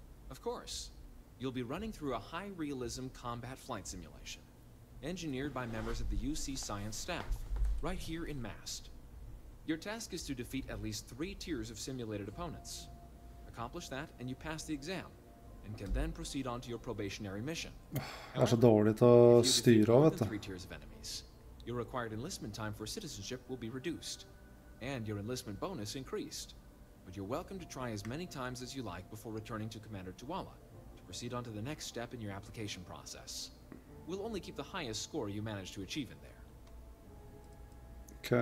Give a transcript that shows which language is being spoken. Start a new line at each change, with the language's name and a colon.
English: Of course. You'll be running through a high-realism combat flight simulation, engineered by members of the UC Science staff, right here in MAST. Your task is to defeat at least 3 tiers of simulated opponents. Accomplish that, and you pass the exam, and can then proceed on to your probationary mission.
Swedish: Så dåligt att styra, vet du.
English: 3 tiers of enemies. Your required enlistment time for citizenship will be reduced, and your enlistment bonus increased. But you're welcome to try as many times as you like before returning to Commander Tuwala. Proceed on to the next step in your application process. We'll only keep the highest score you manage to achieve in there.